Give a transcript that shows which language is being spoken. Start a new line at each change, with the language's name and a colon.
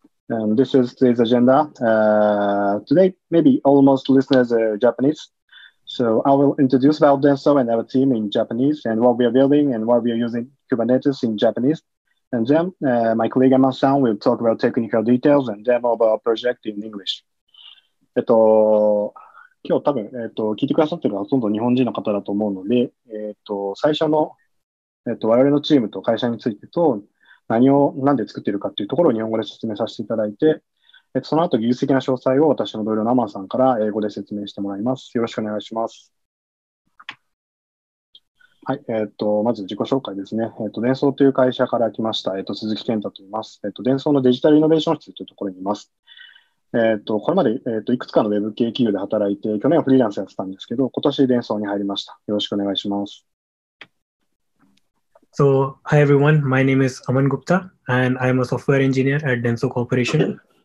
English: And this is today's agenda. Today, maybe almost listeners are Japanese. So I will introduce about Denso and our team in Japanese and what we are building and what we are using Kubernetes in Japanese. And then my colleague Aman will talk about technical details and demo of our project in English.
Japanese: 今日多分、聞いてくださってるのはほとんど日本人の方だと思うので、最初の、我々のチームと会社についてと何を何で作っているかというところを日本語で説明させていただいて、その後技術的な詳細を私の同僚のアマンさんから英語で説明してもらいます。よろしくお願いします。はい、まず自己紹介ですね。電装という会社から来ました。鈴木健太と言います。電装のデジタルイノベーション室というところにいます。これまで、いくつかのウェブ系企業で働いて、去年はフリーランスやってたんですけど、今年電装に入りました。よろしくお願いします。
English: So, hi everyone. My name is Aman Gupta and I'm a software engineer at Denso Corporation.